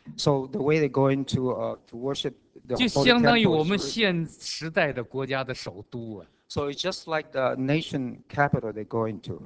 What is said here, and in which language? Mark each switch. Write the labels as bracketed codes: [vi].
[en] So the way they go into to worship the [zh] 就相当于我们现时代的国家的首都啊。 [en] So it's just like the nation capital they go into.